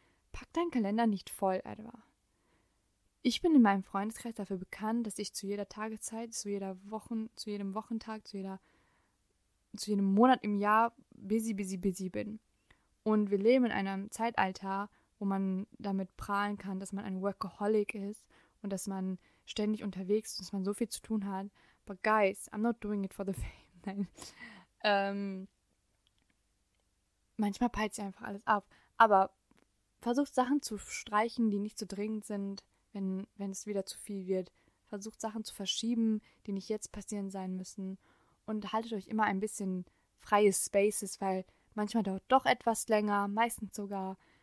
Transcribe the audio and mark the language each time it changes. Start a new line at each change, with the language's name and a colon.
German: Pack deinen Kalender nicht voll, Edward. Ich bin in meinem Freundeskreis dafür bekannt, dass ich zu jeder Tageszeit, zu jedem Wochentag, zu jedem Monat im Jahr busy bin. Und wir leben in einem Zeitalter, wo man damit prahlen kann, dass man ein Workaholic ist und dass man ständig unterwegs ist, dass man so viel zu tun hat.
English: But guys, I'm not doing it for the fame.
German: Nein. Manchmal peilt sich einfach alles ab. Aber versucht Sachen zu streichen, die nicht so dringend sind, wenn es wieder zu viel wird. Versucht Sachen zu verschieben, die nicht jetzt passieren sein müssen. Und haltet euch immer ein bisschen freie Spaces, weil manchmal dauert doch etwas länger, meistens sogar.